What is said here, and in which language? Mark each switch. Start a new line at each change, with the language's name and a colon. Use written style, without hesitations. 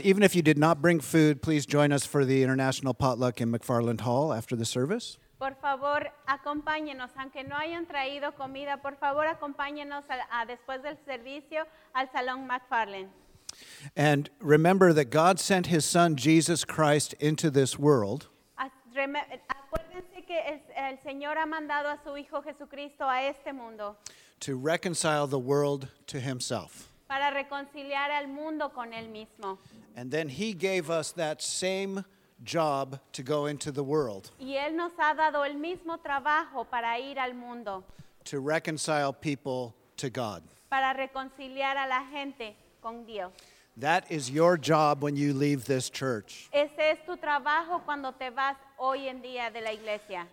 English: Even if you did not bring food, please join us for the International Potluck in McFarland Hall after the service.
Spanish: Por favor, acompáñenos, aunque no hayan traído comida, por favor, acompáñenos a después del servicio al Salón McFarland.
English: And remember that God sent his son Jesus Christ into this world.
Spanish: Acuérdense que el Señor ha mandado a su hijo Jesucristo a este mundo.
English: To reconcile the world to himself.
Spanish: Para reconciliar al mundo con él mismo.
English: And then he gave us that same job to go into the world.
Spanish: Y él nos ha dado el mismo trabajo para ir al mundo.
English: To reconcile people to God.
Spanish: Para reconciliar a la gente con Dios.
English: That is your job when you leave this church.
Spanish: Ese es tu trabajo cuando te vas hoy en día de la iglesia.